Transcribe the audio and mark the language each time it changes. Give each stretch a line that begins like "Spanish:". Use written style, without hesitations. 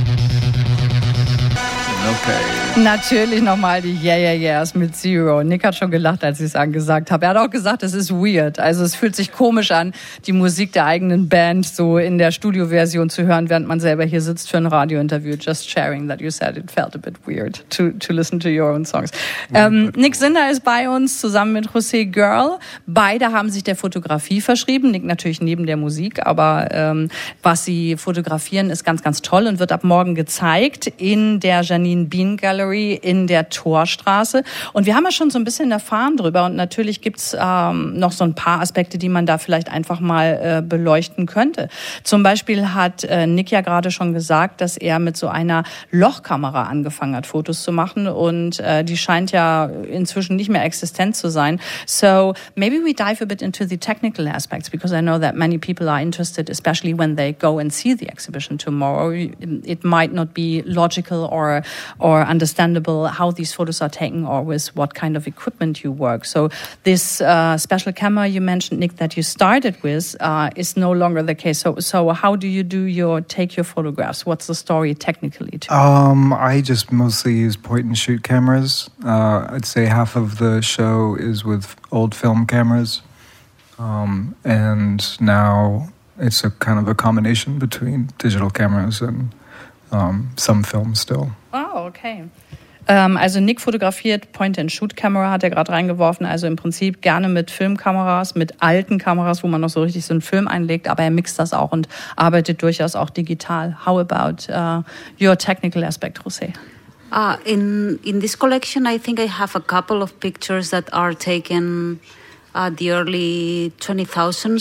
English: Okay.
German: Natürlich nochmal die Yeah Yeah Yeahs mit Zero. Nick hat schon gelacht, als ich es angesagt habe. Er hat auch gesagt, es ist weird. Also es fühlt sich komisch an, die Musik der eigenen Band so in der Studioversion zu hören, während man selber hier sitzt für ein Radiointerview.
English: Just sharing that you said it felt a bit weird to listen to your own songs.
German: Nick Zinder ist bei uns, zusammen mit José Girl. Beide haben sich der Fotografie verschrieben. Nick natürlich neben der Musik, aber was sie fotografieren, ist ganz, ganz toll und wird ab morgen gezeigt in der Janine Bean Gallery in der Torstraße. Und wir haben ja schon so ein bisschen erfahren drüber, und natürlich gibt es noch so ein paar Aspekte, die man da vielleicht einfach mal beleuchten könnte. Zum Beispiel hat Nick ja gerade schon gesagt, dass er mit so einer Lochkamera angefangen hat, Fotos zu machen, und die scheint ja inzwischen nicht mehr existent zu sein.
English: So maybe we dive a bit into the technical aspects, because I know that many people are interested, especially when they go and see the exhibition tomorrow. It might not be logical or or understandable how these photos are taken or with what kind of equipment you work. So this special camera you mentioned, Nick, that you started with is no longer the case. So how do you do your take your photographs? What's the story technically? I just mostly use point-and-shoot cameras. I'd say half of the show is with old film cameras. And now it's a kind of a combination between digital cameras and some film still.
German: Oh, okay. Also Nick fotografiert Point-and-Shoot-Kamera, hat er gerade reingeworfen. Also im Prinzip gerne mit Filmkameras, mit alten Kameras, wo man noch so richtig so einen Film einlegt. Aber er mixt das auch und arbeitet durchaus auch digital.
English: How about your technical aspect, José? In this collection, I think I have a couple of pictures that are taken the early 20,000.